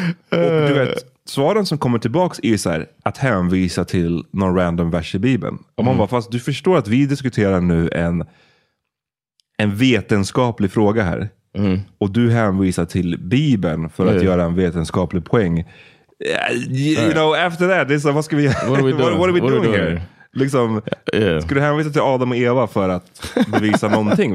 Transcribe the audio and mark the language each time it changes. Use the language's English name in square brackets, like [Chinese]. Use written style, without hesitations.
[Swedish] Och du vet, svaren som kommer tillbaks är så här, att hänvisa till någon random vers i Bibeln. Och man bara, fast du förstår att vi diskuterar nu en vetenskaplig fråga här. Mm. Och du hänvisar till Bibeln för att göra en vetenskaplig poäng. [English] You know, after that, this, what [Swedish] ska vi göra? [English] What are we doing here? [Swedish] Liksom, ska du hänvisa till Adam och Eva för att bevisa någonting?